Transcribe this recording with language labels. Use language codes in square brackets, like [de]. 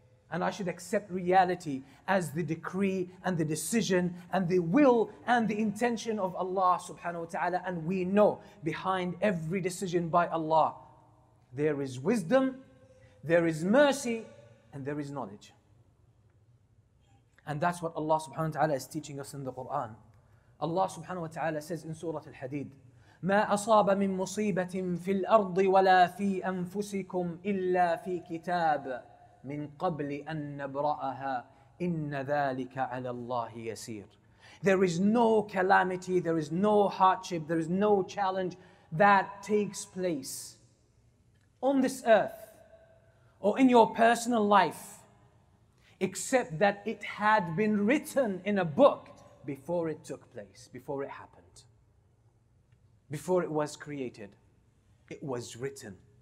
[en] And I should accept reality as the decree and the decision and the will and the intention of Allah subhanahu wa ta'ala. And we know behind every decision by Allah, there is wisdom, there is mercy, and there is knowledge. And that's what Allah subhanahu wa ta'ala is teaching us in the Quran. Allah subhanahu wa ta'ala says in Surah Al-Hadid, [ar] مَا أَصَابَ مِن مُصِيبَةٍ فِي الْأَرْضِ وَلَا فِي أَنفُسِكُمْ إِلَّا فِي كِتَابٍ مِنْ قَبْلِ أَن نَبْرَأَهَا إِنَّ ذَٰلِكَ عَلَى اللَّهِ يَسِيرٌ. [en] There is no calamity, there is no hardship, there is no challenge that takes place on this earth or in your personal life, except that it had been written in a book before it took place, before it happened, before it was created, it was written.